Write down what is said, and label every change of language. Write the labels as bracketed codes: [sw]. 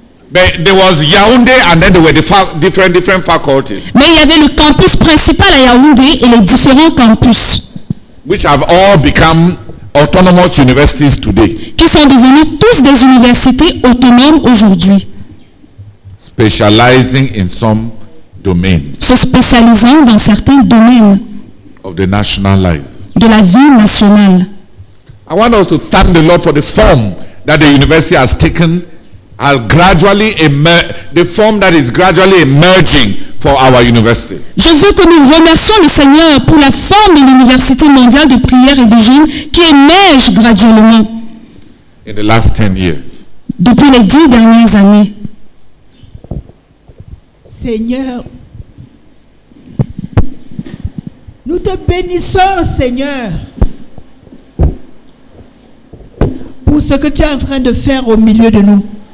[en] But there was Yaoundé and then there were the different faculties. [fr] Mais il y avait le campus principal à Yaoundé et les différents campus. [en] Which have all become autonomous universities today. [fr] Qui sont devenus tous des universités autonomes aujourd'hui. [en] Specializing in some domains. [fr] Se spécialisant dans certains domaines. [en] Of the national life. [fr] De la vie nationale. [en] I want us to thank the Lord for the form that the university has taken. Has gradually the form that is gradually emerging for our university. [fr] Je veux que nous remercions le Seigneur pour la forme de l'Université mondiale de prière et de jeûne qui émerge graduellement. [en] In the last 10 years. [fr] Depuis les 10 dernières années. Seigneur, nous te bénissons, Seigneur, pour ce que tu es en train de faire au milieu de nous.